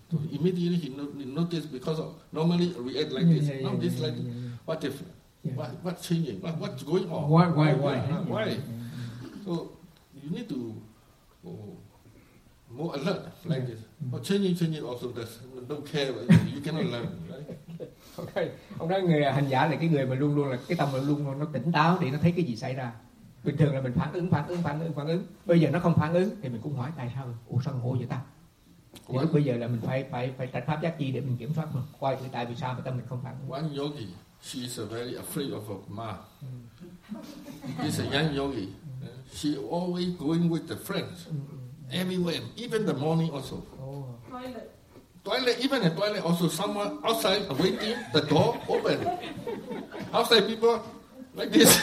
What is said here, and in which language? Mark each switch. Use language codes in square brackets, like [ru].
[en] So immediately he notice because normally react like this. Now this like what if? What's changing? What's going on? Why? So you need to more alert like this. But changing also does don't care. You cannot learn, right? Okay. [vi] Ông nói người hành giả là cái người mà luôn luôn là cái tâm luôn luôn nó tỉnh táo thì nó thấy cái gì xảy ra. Bình thường là mình phản ứng. Bây giờ nó không phản ứng thì mình cũng hỏi tại sao? Ủa sao ngộ vậy ta? Thì lúc bây giờ là mình phải trạch pháp giác chi để mình kiểm soát mà coi thử tại vì sao mà tâm mình không phản ứng. [en] One yogi, she is very afraid of a ma. She's a young yogi. She always going with the friends everywhere, even the morning also. Toilet also someone outside waiting the door open. Outside people like this.